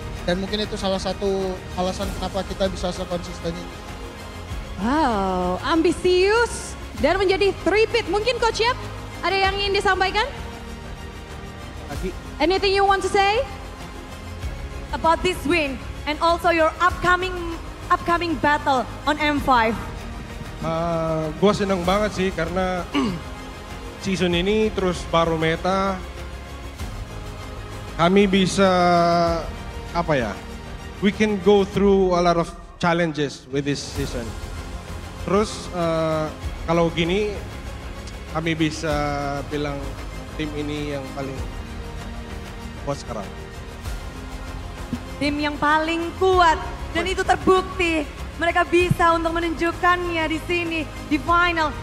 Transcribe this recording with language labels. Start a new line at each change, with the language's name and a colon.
Indonesian: Dan mungkin itu salah satu alasan kenapa kita bisa sekonsisten ini. Wow, ambisius dan menjadi tripit. Mungkin Coach Yap ada yang ingin disampaikan? Lagi.
English: Anything you want to say about this win and also your upcoming battle on M5?
Indonesian: Gua seneng banget sih karena season ini terus baru meta, kami bisa apa ya?
English: We can go through a lot of challenges with this season.
Indonesian: Terus kalau gini, kami bisa bilang tim ini yang paling kuat sekarang. Tim yang paling kuat dan itu terbukti. Mereka bisa untuk menunjukkannya di sini, di final.